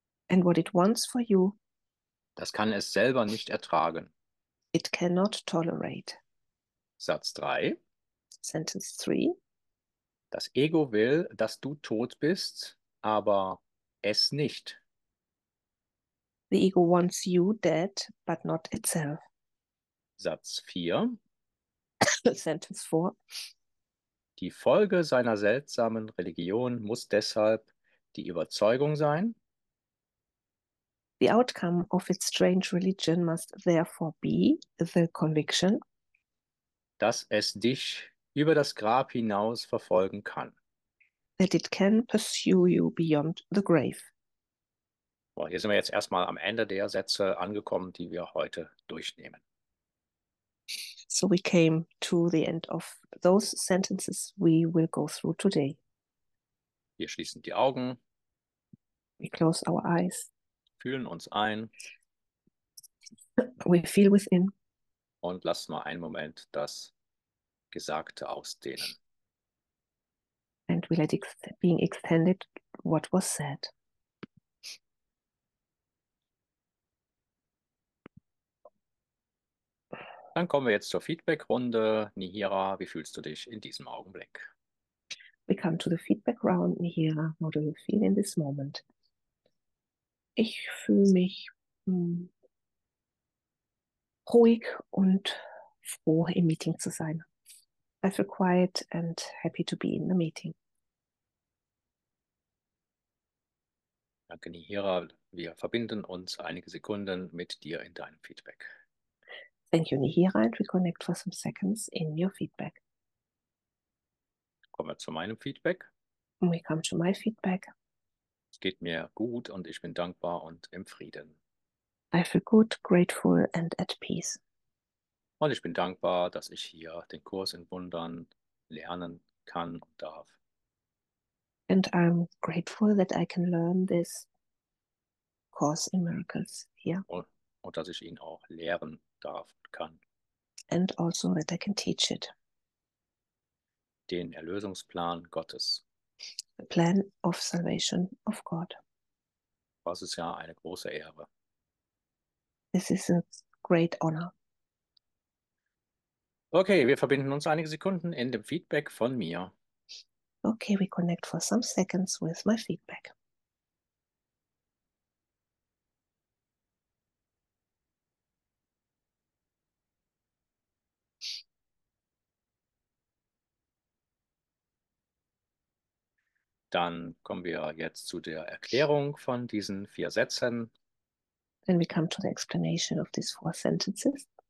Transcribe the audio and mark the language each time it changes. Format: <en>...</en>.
<en>And what it wants for you,</en> <de>das kann es selber nicht ertragen.</de> <en>it cannot tolerate.</en> <de>Satz 3.</de> <en>Sentence 3.</en> <de>Das Ego will, dass du tot bist, aber es nicht.</de> <en>The ego wants you dead, but not itself.</en> <de>Satz 4.</de> <en>Sentence 4.</en> <de>Die Folge seiner seltsamen Religion muss deshalb die Überzeugung sein.</de> <en>The outcome of its strange religion must therefore be the conviction</en> <de>Dass es dich über das Grab hinaus verfolgen kann.</de> <en>that it can pursue you beyond the grave.</en> <de>Boah, hier sind wir jetzt erstmal am Ende der Sätze angekommen, die wir heute durchnehmen.</de> <en>So we came to the end of those sentences we will go through today.</en> <de>Wir schließen die Augen.</de> <en>We close our eyes.</en> <de>Fühlen uns ein.</de> <en>We feel within.</en> <de>Und lass mal einen Moment das Gesagte ausdehnen.</de> <en>And we let being extended what was said.</en> <de>Dann kommen wir jetzt zur Feedback-Runde. Nihira, wie fühlst du dich in diesem Augenblick?</de> <en>We come to the feedback round, Nihira. How do you feel in this moment?</en> <de>Ich fühle mich ruhig und froh, im Meeting zu sein.</de> <en>I feel quiet and happy to be in the meeting.</en> <de>Danke, Nihira. Wir verbinden uns einige Sekunden mit dir in deinem Feedback.</de> <en>Thank you, Nihira, and we connect for some seconds in your feedback.</en> <de>Kommen wir zu meinem Feedback.</de> <en>We come to my feedback.</en> <de>Es geht mir gut und ich bin dankbar und im Frieden.</de> <en>I feel good, grateful and at peace.</en> <de>Und ich bin dankbar, dass ich hier den Kurs in Wundern lernen kann und darf.</de> <en>And I'm grateful that I can learn this Course in Miracles here.</en> <de>Und dass ich ihn auch lehren darf und kann.</de> <en>And also that I can teach it.</en> <de>Den Erlösungsplan Gottes.</de> <en>The plan of salvation of God.</en> <de>Das ist ja eine große Ehre.</de> <en>This is a great honor.</en> <de>Okay, wir verbinden uns einige Sekunden in dem Feedback von mir.</de> <en>Okay, we connect for some seconds with my feedback.</en> <de>Dann kommen wir jetzt zu der Erklärung von diesen vier Sätzen.</de> <en>Then we come to the explanation of these four sentences.</en>